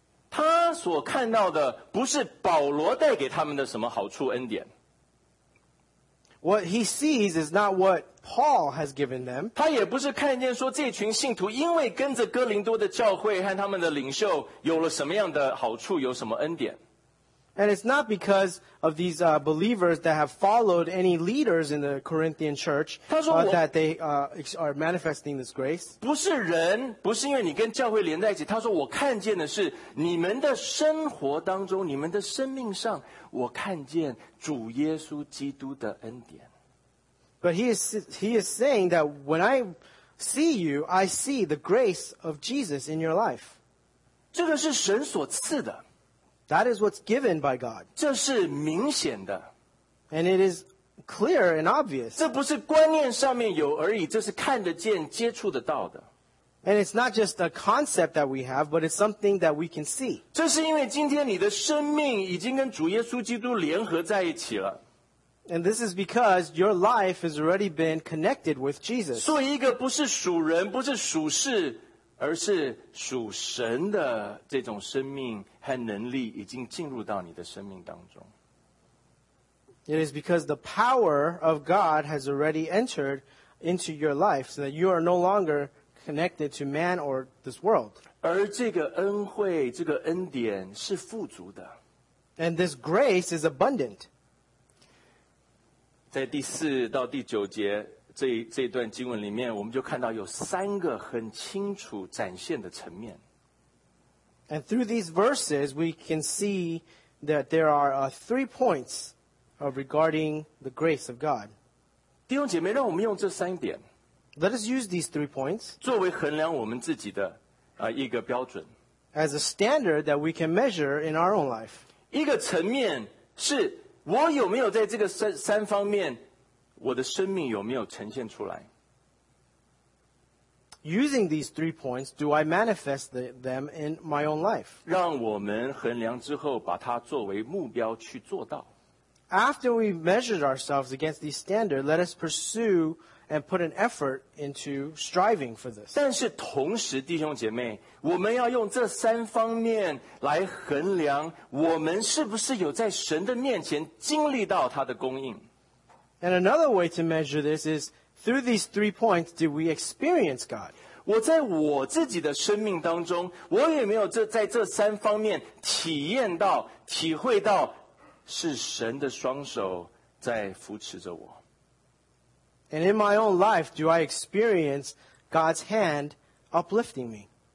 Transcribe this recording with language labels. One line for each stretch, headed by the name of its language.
Chinese: 他所看到的不是保罗带给他们的什么好处恩典。
English: What he sees is not what Paul has given them.
Chinese: 他也不是看见说这群信徒因为跟着哥林多的教会和他们的领袖有了什么样的好处，有什么恩典。
English: And it's not because of these believers that have followed any leaders in the Corinthian church that they are manifesting this grace.
Chinese: 不是人，不是因为你跟教会连在一起。他说我看见的是你们的生活当中，你们的生命上，我看见主耶稣基督的恩典。
English: But he is saying that when I see you, I see the grace of Jesus in your life.
Chinese: 这个是神所赐的。
English: That is what's given by God.
Chinese: 这是明显的。
English: And it is clear and obvious.
Chinese: 这不是观念上面有而已，这是看得见、接触得到的。
English: And it's not just a concept that we have, but it's something that we can see.
Chinese: 这是因为今天你的生命已经跟主耶稣基督联合在一起了。
English: And this is because your life has already been connected with Jesus.
Chinese: 所以一个不是属人，不是属事，而是属神的这种生命和能力已经进入到你的生命当中。
English: It is because the power of God has already entered into your life so that you are no longer connected to man or this world.
Chinese: 而这个恩惠，这个恩典是富足的。
English: And this grace is abundant.
Chinese: 在第四到第九节这一段经文里面，我们就看到有三个很清楚展现的层面。
English: And through these verses, we can see that there are three points of regarding the grace of God.
Chinese: 弟兄姐妹，让我们用这三点
English: ，Let us use these three points
Chinese: 作为衡量我们自己的一个标准
English: ，as a standard that we can measure in our own life.
Chinese: 一个层面是我有没有在这个三方面。我的生命有没有呈现出来
English: ？Using these three points, do I manifest them in my own life?
Chinese: 让我们衡量之后，把它作为目标去做到。
English: After we measured ourselves against these standards, let us pursue and put an effort into striving for this.
Chinese: 但是同时，弟兄姐妹，我们要用这三方面来衡量我们是不是有在神的面前经历到他的供应。
English: And another way to measure this is through these three points, do we experience God?
Chinese: 我在我自己的生命当中，我也没有在这三方面体验到、体会到是神的双手在扶持着我。
English: And in my own life, do I experience God's hand uplifting me?